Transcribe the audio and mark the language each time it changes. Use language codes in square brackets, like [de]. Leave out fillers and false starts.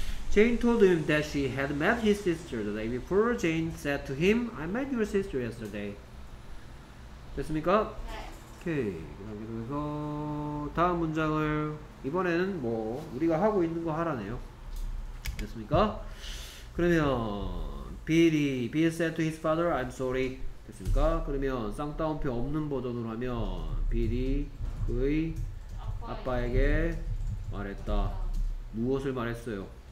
[en] Jane told him that she had met his sister the day before. Jane said to him, I met your sister yesterday. [ko] 됐습니까? 네. 오케이. 그래서 다음 문장을 이번에는 뭐 우리가 하고 있는 거 하라네요. 됐습니까? 그러면 [en] Bill said to his father, I'm sorry. [ko] 됐습니까? 그러면 쌍따옴표 없는 버전으로 하면 빌이 그의 아빠에게 말했다. 무엇을 말했어요?